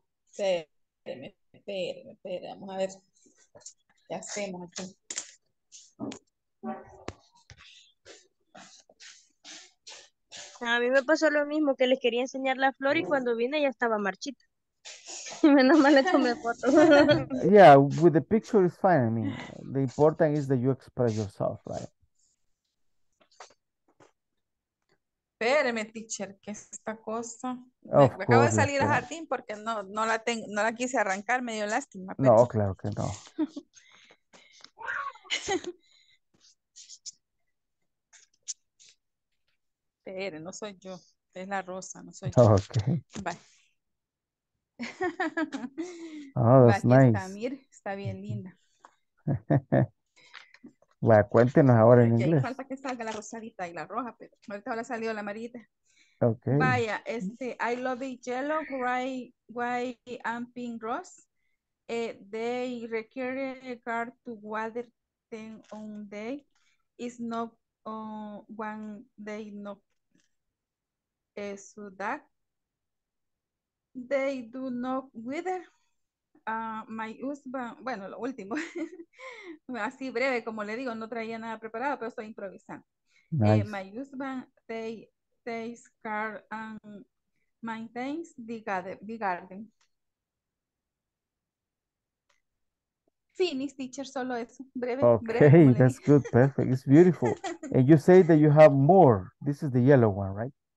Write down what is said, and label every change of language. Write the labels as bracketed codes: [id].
[es] Sí. Espera, vamos a ver. ¿Qué hacemos aquí? A mí me pasó lo mismo, que les quería enseñar la flor y cuando vine ya estaba marchita. Menos mal le tomé foto. [en] Yeah, with the picture is fine. I mean, the important is that you express yourself, right? [es] Espéreme, teacher, ¿qué es esta cosa? Acabo de salir al jardín porque no la quise arrancar, me dio lástima. No, pero... claro que no. Espéreme, no soy yo, es la rosa, no soy yo. [en] Ok. Bye. Oh, that's Bye, nice. [es] Está bien linda. Bueno, cuéntenos ahora en inglés. Falta que salga la rosadita y la roja, pero ahorita habrá salido la amarillita. [en] Okay. Vaya, I love the yellow, gray, white, and pink rose. They require a car to water them on day. It's not one day, no. so that they do not wither. My husband, [es] bueno, lo último, así breve, como le digo, no traía nada preparado, pero estoy improvisando. [en] Nice. My husband, they takes care and maintains the garden. Finish, teacher, [es] solo eso, breve. [en] Okay, [es] breve, [en] that's good, perfect, it's beautiful. And you say that you have more, this is the yellow one, right?